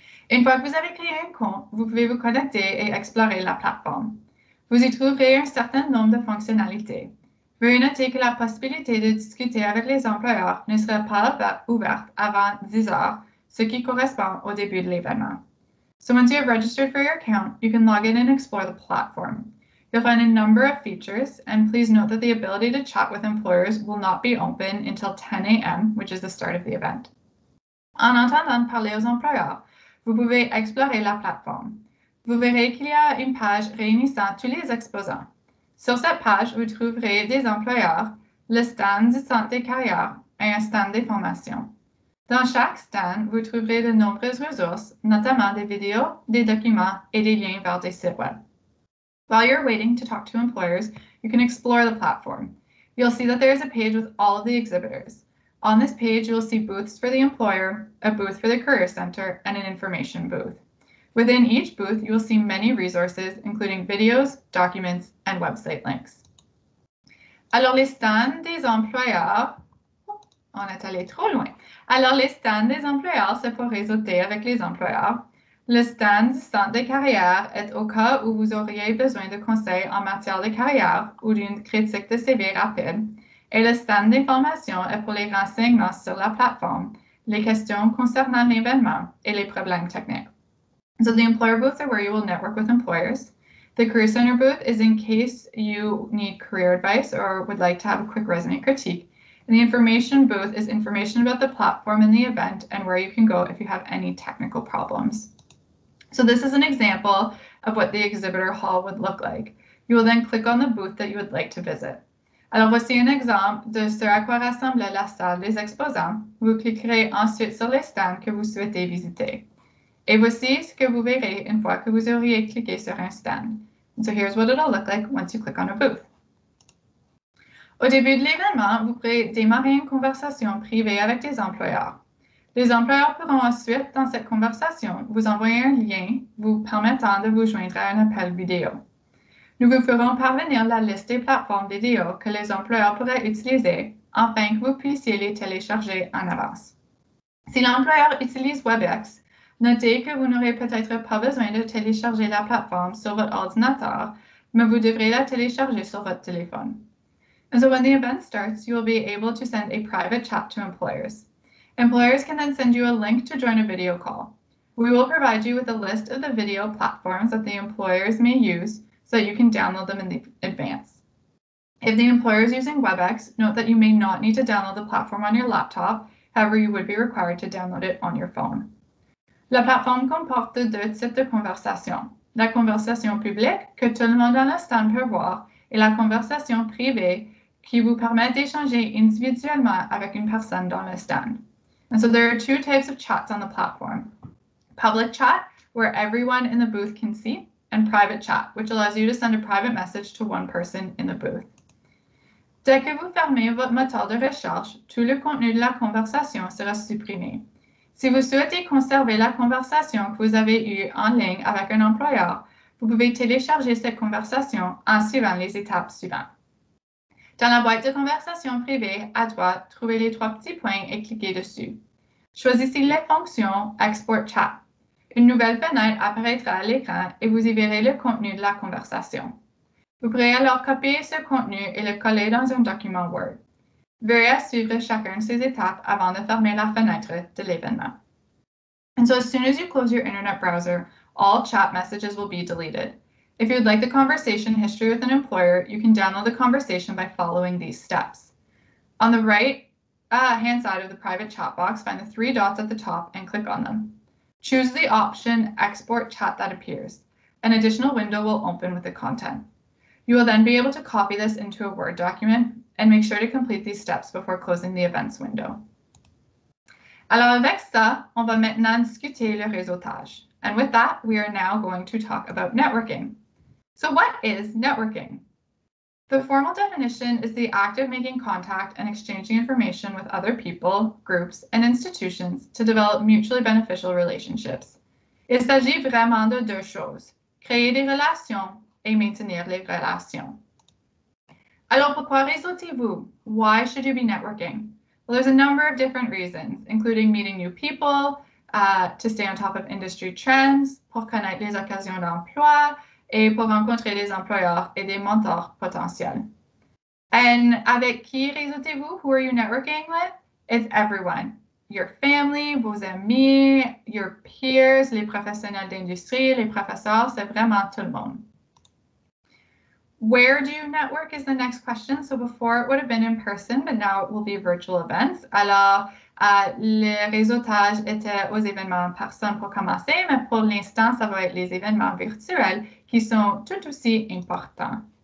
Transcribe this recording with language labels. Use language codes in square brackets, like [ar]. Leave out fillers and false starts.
[fr] Une fois que vous avez créé un compte, vous pouvez vous connecter et explorer la plateforme. Vous y trouverez un certain nombre de fonctionnalités. Veuillez noter que la possibilité de discuter avec les employeurs ne sera pas ouverte avant 10 heures, ce qui correspond au début de l'événement. [en] So once you have registered for your account, you can log in and explore the platform. You'll find a number of features, and please note that the ability to chat with employers will not be open until 10 a.m., which is the start of the event. [fr] En entendant parler aux employeurs, vous pouvez explorer la plateforme. Vous verrez qu'il y a une page réunissant tous les exposants. Sur cette page, vous trouverez des employeurs, le stand du centre des carrières et un stand des formations. Dans chaque stand, vous trouverez de nombreuses ressources, notamment des vidéos, des documents et des liens vers des sites web. [en] While you're waiting to talk to employers, you can explore the platform. You'll see that there is a page with all of the exhibitors. On this page, you'll see booths for the employer, a booth for the career center, and an information booth. Within each booth, you will see many resources, including videos, documents, and website links. [fr] Alors, les stands des employeurs... On est allé trop loin. Alors, les stands des employeurs, c'est pour réseauter avec les employeurs. Le stand du centre de carrière est au cas où vous auriez besoin de conseils en matière de carrière ou d'une critique de CV rapide. Et le stand d'information est pour les renseignements sur la plateforme, les questions concernant l'événement et les problèmes techniques. [en] So the employer booth is where you will network with employers. The career center booth is in case you need career advice or would like to have a quick resume critique. And the information booth is information about the platform and the event and where you can go if you have any technical problems. So this is an example of what the exhibitor hall would look like. You will then click on the booth that you would like to visit. [fr] Alors voici un exemple de ce à quoi ressemble la salle des exposants. Vous cliquerez ensuite sur les stands que vous souhaitez visiter. Et voici ce que vous verrez une fois que vous auriez cliqué sur un stand. [en] So here's what it'll look like once you click on a booth. [fr] Au début de l'événement, vous pourrez démarrer une conversation privée avec des employeurs. Les employeurs pourront ensuite, dans cette conversation, vous envoyer un lien vous permettant de vous joindre à un appel vidéo. Nous vous ferons parvenir la liste des plateformes vidéo que les employeurs pourraient utiliser afin que vous puissiez les télécharger en avance. Si l'employeur utilise WebEx, notez que vous n'aurez peut-être pas besoin de télécharger la plateforme sur votre ordinateur, mais vous devrez la télécharger sur votre téléphone. [en] And so when the event starts, you will be able to send a private chat to employers. Employers can then send you a link to join a video call. We will provide you with a list of the video platforms that the employers may use so that you can download them in advance. If the employer is using WebEx, note that you may not need to download the platform on your laptop. However, you would be required to download it on your phone. [fr] La plateforme comporte deux types de conversations. La conversation publique, que tout le monde dans le stand peut voir, et la conversation privée, qui vous permet d'échanger individuellement avec une personne dans le stand. [en] And so there are two types of chats on the platform. Public chat, where everyone in the booth can see, and private chat, which allows you to send a private message to one person in the booth. [fr] Dès que vous fermez votre moteur de recherche, tout le contenu de la conversation sera supprimé. Si vous souhaitez conserver la conversation que vous avez eue en ligne avec un employeur, vous pouvez télécharger cette conversation en suivant les étapes suivantes. Dans la boîte de conversation privée, à droite, trouvez les trois petits points et cliquez dessus. Choisissez la fonction « Export chat ». Une nouvelle fenêtre apparaîtra à l'écran et vous y verrez le contenu de la conversation. Vous pourrez alors copier ce contenu et le coller dans un document Word. Veuillez suivre chacune de ces étapes avant de fermer la fenêtre de l'événement. [en] And so as soon as you close your internet browser, all chat messages will be deleted. If you'd like the conversation history with an employer, you can download the conversation by following these steps. On the right hand side of the private chat box, find the three dots at the top and click on them. Choose the option Export Chat that appears. An additional window will open with the content. You will then be able to copy this into a Word document and make sure to complete these steps before closing the events window. [fr] Alors avec ça, on va maintenant discuter le réseautage. [en] And with that, we are now going to talk about networking. So what is networking? The formal definition is the act of making contact and exchanging information with other people, groups, and institutions to develop mutually beneficial relationships. [fr] Il s'agit vraiment de deux choses, créer des relations et maintenir les relations. Alors, pourquoi réseautez-vous? [en] Why should you be networking? Well, there's a number of different reasons, including meeting new people, to stay on top of industry trends, [fr] pour connaître les occasions d'emploi, et pour rencontrer des employeurs et des mentors potentiels. [en] And [fr] avec qui réseautez-vous? [en] Who are you networking with? It's everyone. Your family, [fr] vos amis, [en] your peers, [fr] les professionnels d'industrie, les professeurs, c'est vraiment tout le monde. [en] Where do you network is the next question. So before it would have been in person, but now it will be virtual events. [fr] Alors, le réseautage était aux événements en personne pour commencer, mais pour l'instant, ça va être les événements virtuels qui sont tout aussi importants.